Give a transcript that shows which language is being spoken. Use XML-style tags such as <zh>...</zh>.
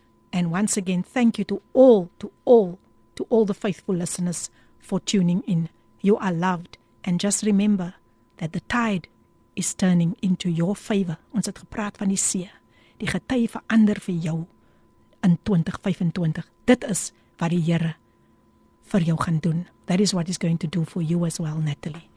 <en>And once again, thank you to all the faithful listeners for tuning in. You are loved and just remember that the tide is turning into your favor.</en> <af>Ons het gepraat van die see, die gety verander vir jou in 2025. Dit is wat die Here vir jou gaan doen.</af> <en>That is what he's going to do for you as well, Natalie.</en>